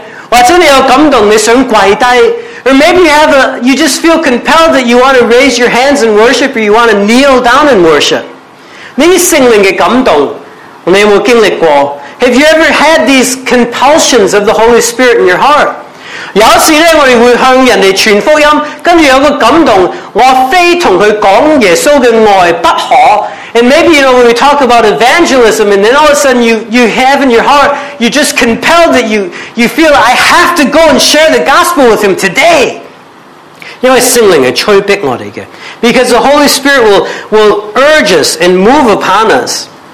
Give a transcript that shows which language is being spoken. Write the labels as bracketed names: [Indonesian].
[Cantonese] 或者你有感动，你想举起手嘅，或者你有感动，你想跪低。 [English] Or maybe you just feel compelled that you want to raise your hands in worship, or you want to kneel down in worship. [Cantonese] 呢啲圣灵嘅感动，你有冇经历过？ [English] Have you ever had these compulsions of the Holy Spirit in your heart? [Cantonese] 有时呢，我哋会向人哋传福音，跟住有个感动，我非同佢讲耶稣嘅爱不可。 [English] And maybe, you know, when we talk about evangelism, and then all of a sudden you have in your heart, you're just compelled that you feel, I have to go and share the gospel with him today. [Cantonese] 因为圣灵系催逼我哋嘅。 [English] Because the Holy Spirit will urge us and move upon us.